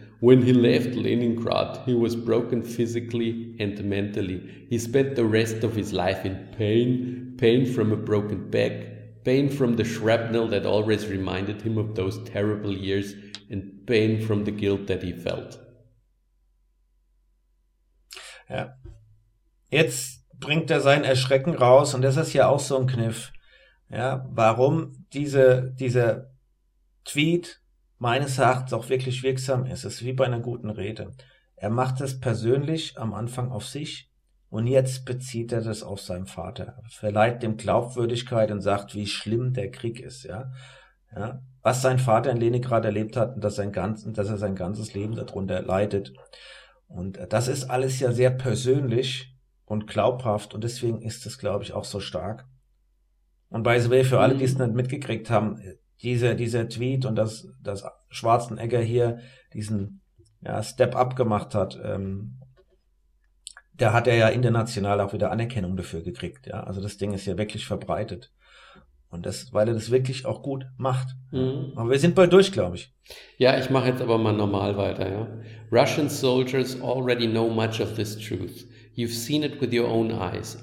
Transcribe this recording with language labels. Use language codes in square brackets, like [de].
[en] When he left Leningrad, he was broken physically and mentally. He spent the rest of his life in pain, pain from a broken back, pain from the shrapnel that always reminded him of those terrible years, and pain from the guilt that he felt. [de] Ja. Jetzt bringt er sein Erschrecken raus, und das ist ja auch so ein Kniff. Ja, warum diese Tweet meines Erachtens auch wirklich wirksam ist. Es ist wie bei einer guten Rede. Er macht es persönlich am Anfang auf sich und jetzt bezieht er das auf seinen Vater. Verleiht dem Glaubwürdigkeit und sagt, wie schlimm der Krieg ist. Ja, ja. Was sein Vater in Leningrad erlebt hat und dass er sein ganzes Leben darunter leidet. Und das ist alles ja sehr persönlich und glaubhaft und deswegen ist es, glaube ich, auch so stark. Und [en] by the way, [de] für alle, die es nicht mitgekriegt haben, dieser Tweet und dass Schwarzenegger hier diesen Step Up gemacht hat, da hat er ja international auch wieder Anerkennung dafür gekriegt. Ja? Also das Ding ist ja wirklich verbreitet. Und das, weil er das wirklich auch gut macht. Mhm. Aber wir sind bald durch, glaube ich. Ja, ich mache jetzt aber mal normal weiter. Ja? [en] Russian soldiers already know much of this truth. You've seen it with your own eyes.